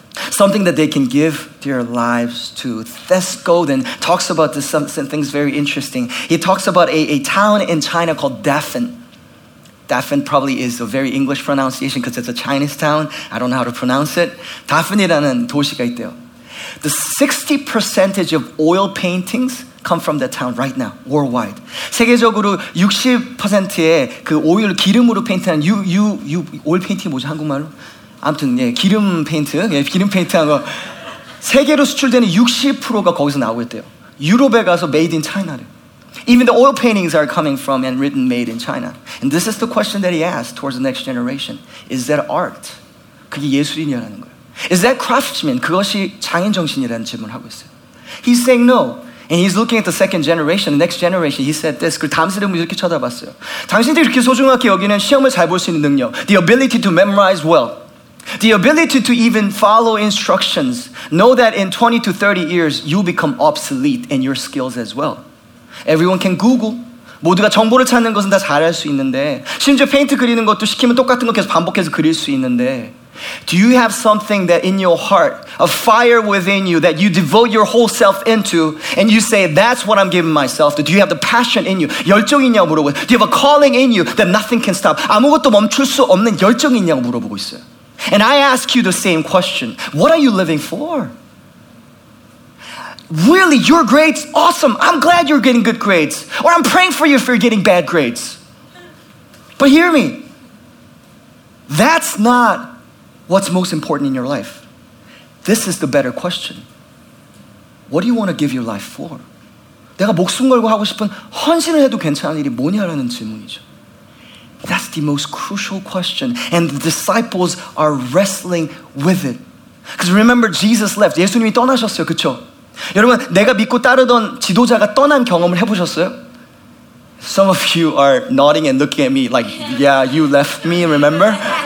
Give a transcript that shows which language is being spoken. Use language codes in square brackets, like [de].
[en] Something that they can give their lives to. Seth Godin talks about this, some things very interesting. He talks about a town in China called Daphne. Daphne probably is a very English pronunciation because it's a Chinese town. I don't know how to pronounce it. [ko] Daphne이라는 도시가 있대요. [en] The 60% of oil paintings come from that town right now, worldwide. [ko] 세계적으로 60%의 그 오일 기름으로 페인트한 you 오일 페인팅 뭐지 한국말로? 아무튼 예, 기름 페인트 한 거 세계로 수출되는 60%가 거기서 나오고 있대요. 유럽에 가서 made in China래요. [en] Even the oil paintings are coming from and written made in China. And this is the question that he asked towards the next generation. Is that art? [ko] 그게 예술이냐는 거예요. [en] Is that craftsman? [ko] 그것이 장인 정신이라는 질문을 하고 있어요. [en] He's saying no. And he's looking at the second generation, the next generation. He said this. [ko] 그리고 다음 세대를 이렇게 쳐다봤어요. 당신들이 이렇게 소중하게 여기는 시험을 잘 볼 수 있는 능력. [en] The ability to memorize well. The ability to even follow instructions. Know that in 20 to 30 years, you become obsolete in your skills as well. Everyone can Google. [ko] 모두가 정보를 찾는 것은 다 잘할 수 있는데, 심지어 페인트 그리는 것도 시키면 똑같은 거 계속 반복해서 그릴 수 있는데, [en] Do you have something that in your heart, a fire within you that you devote your whole self into, and you say, that's what I'm giving myself to. Do you have the passion in you? [ko] 열정이냐고 물어보고, [en] Do you have a calling in you that nothing can stop? [ko] 아무것도 멈출 수 없는 열정이냐고 물어보고 있어요. [en] And I ask you the same question. What are you living for? Really, your grades? Awesome. I'm glad you're getting good grades. Or I'm praying for you if you're getting bad grades. But hear me. That's not what's most important in your life. This is the better question. What do you want to give your life for? [ko] 내가 목숨 걸고 하고 싶은 헌신을 해도 괜찮은 일이 뭐냐라는 질문이죠. [en] That's the most crucial question. And the disciples are wrestling with it. Because remember, Jesus left. [ko] 예수님이 떠나셨어요, 그쵸? 여러분, 내가 믿고 따르던 지도자가 떠난 경험을 해보셨어요? [en] Some of you are nodding and looking at me like, yeah, you left me, remember?